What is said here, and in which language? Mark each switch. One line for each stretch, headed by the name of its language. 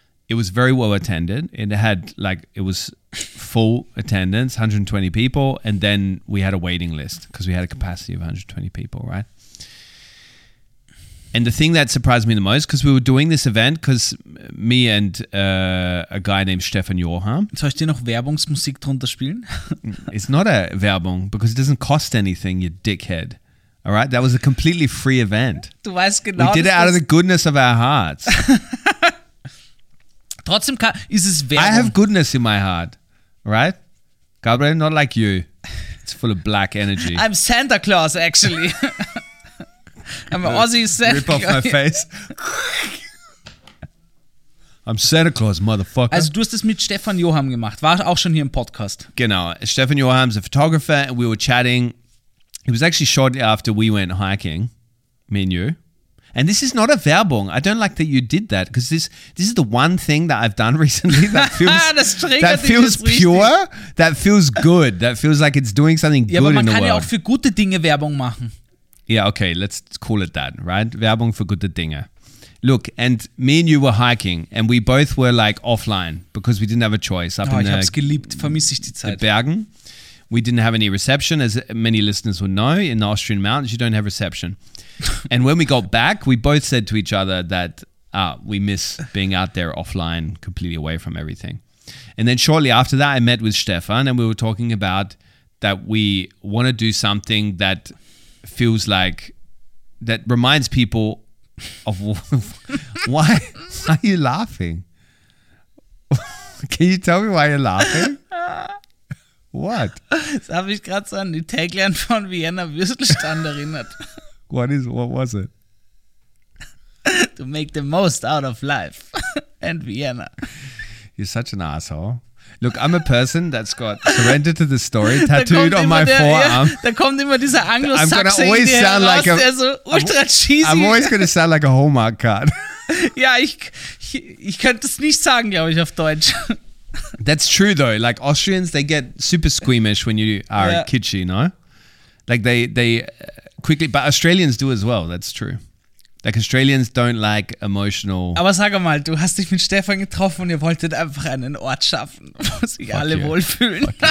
English: It was very well attended. It had like, it was full attendance, 120 people. And then we had a waiting list because we had a capacity of 120 people, right? And the thing that surprised me the most, because we were doing this event, because me and a guy named Stefan Johan.
German: Soll ich dir noch Werbungsmusik drunter spielen?
English: It's not a Werbung, because it doesn't cost anything, you dickhead. All right? That was a completely free event.
German: Du weißt genau.
English: We did it out of the goodness of our hearts.
German: Trotzdem ist es Werbung.
English: I have goodness in my heart, right? Gabriel, not like you. It's full of black energy. I'm Santa Claus, actually. I'm an Aussie Santa. Rip off my face. I'm Santa Claus, motherfucker.
German: Also du hast es mit Stefan Johann gemacht. War auch schon hier im Podcast. Genau. Stefan Johann ist ein Photographer
English: and we were chatting. It was actually shortly after we went hiking, me and you. And this is not a Werbung. I don't like that you did that because this is the one thing that I've done recently that feels pure,
German: richtig.
English: That feels good, that feels like it's doing something,
German: ja,
English: good in the
German: aber man kann ja auch für gute Dinge Werbung machen.
English: Yeah, okay, let's call it that, right?
German: Werbung für gute Dinge.
English: Look, and me and you were hiking and we both were like offline because we didn't have a choice.
German: Up, oh, in ich hab's geliebt, vermisse ich die Zeit.
English: The Bergen. We didn't have any reception, as many listeners will know. In the Austrian mountains, you don't have reception. And when we got back, we both said to each other that we miss being out there offline, completely away from everything. And then shortly after that, I met with Stefan and we were talking about that we want to do something that feels like, that reminds people of, why are you laughing? Can you tell me why you're laughing? What?
German: Das habe ich gerade so an die Tagline von Vienna Würstelstand erinnert.
English: What was it? To make the most out of life and Vienna. You're such an asshole. Look, I'm a person that's got surrender to the story tattooed on my forearm.
German: Da kommt immer dieser Anglo-Sachsen, der so ultra cheesy.
English: I'm always going to sound like a Hallmark card.
German: Ja, ich könnte es nicht sagen, glaube ich, auf Deutsch.
English: That's true, though. Like, Austrians, they get super squeamish when you are kitschy, no? Like, they quickly... But Australians do as well, that's true. Like, Australians don't like emotional...
German: Aber sag mal, du hast dich mit Stefan getroffen und ihr wolltet einfach einen Ort schaffen, wo sich alle wohlfühlen.